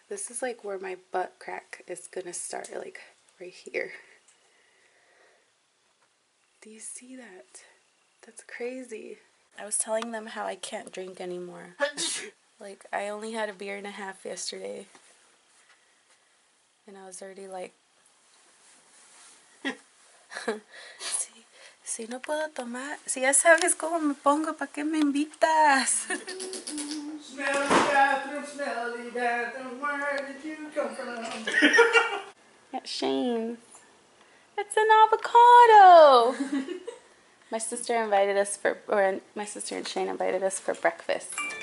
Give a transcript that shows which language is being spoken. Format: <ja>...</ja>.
<en>This is like where my butt crack is gonna start, like right here. Do you see that? That's crazy. I was telling them how I can't drink anymore. Like, I only had a beer and a half yesterday. And I was already like,</en> <es>si no puedo tomar, si ya sabes cómo me pongo, ¿pa qué me invitas?</es> <en>Smelly bathroom, smelly bathroom, where did you come from? Yeah, Shane. It's an avocado! My sister invited us for, or my sister and Shane invited us for breakfast.</en>